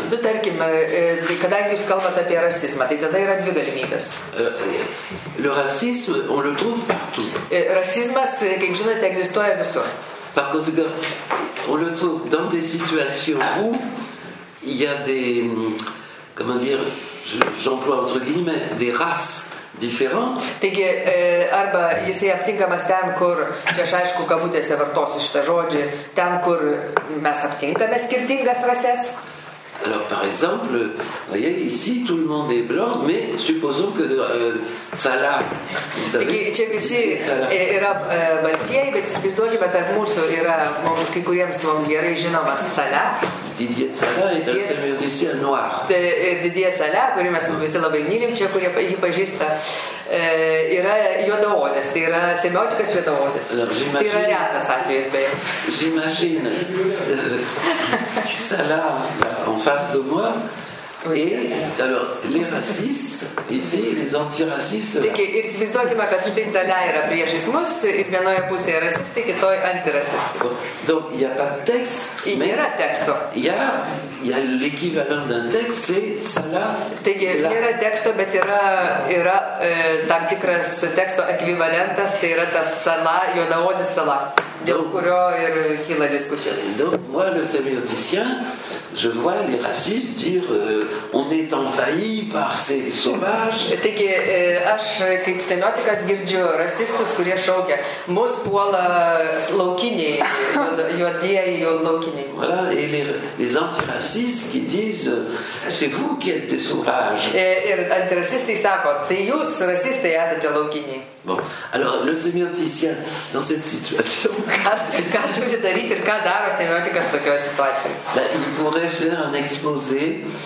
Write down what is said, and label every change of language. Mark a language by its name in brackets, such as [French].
[Lithuanian] Nu, tarkim, kadangi jūs kalbate apie rasizmą, tai tada yra dvi galimybės. [French] Le racisme, on le trouve partout. [Lithuanian] Rasizmas, kaip žinote, egzistuoja visur. [French] Par conséquent, on le trouve dans des situations où il y a des, comment dire, j'emploie entre guillemets, des races. [Lithuanian] Taigi, arba jisai aptinkamas ten, kur, čia aš aišku, kabutėse vartosiu šitą žodžią, ten, kur mes aptinkame skirtingas rases. [French] Alors, par exemple, vous voyez, ici, tout le monde est blanc, mais supposons que Tsala, vous savez... [Lithuanian] Čia visi yra baltieji, bet įsivaizduokime, tarp mūsų yra, kai kuriems mums gerai žinomas Tsala. [French] Didier Tsala est un seigneur d'ici un noir. [Lithuanian] Didier Tsala, kurį mes visi labai mylim, čia, kurie jį pažįsta, yra juodaodis, tai yra semiotikas juodaodis. Tai yra retas atvejis, beje. [French] J'imagine Tsala, en face de moi, et alors les racistes ici, les antiracistes. [Lithuanian] Taigi, ir įsivaizduokime, kad štai Tsala yra priešais mus, ir vienoje pusėje rasistai, kitoje antirasistai. [French] Donc, il n'y a pas de texte, mais... [Lithuanian] Nėra teksto. [French] Il y a l'équivalent d'un texte, c'est Tsala. [Lithuanian] Taigi, nėra teksto, bet yra tam tikras teksto ekvivalentas, tai yra tas Tsala, juodaodis Tsala. Dėl kurio ir kyla diskusijos. [French] Donc, moi, le semioticien, je vois les racistes dire on est envahi par ces sauvages. [Lithuanian] Taigi, aš kaip semiotikas girdžiu rasistus, kurie šaukia, mus puola laukiniai, juodieji laukiniai. [French] Voilà, et les antiracistes qui disent c'est vous qui êtes des sauvages. [Lithuanian] Ir antirasistai sako, tai jūs, rasistai, esate laukiniai. [French] Bon, alors le sémioticien dans cette situation, il pourrait faire un exposé.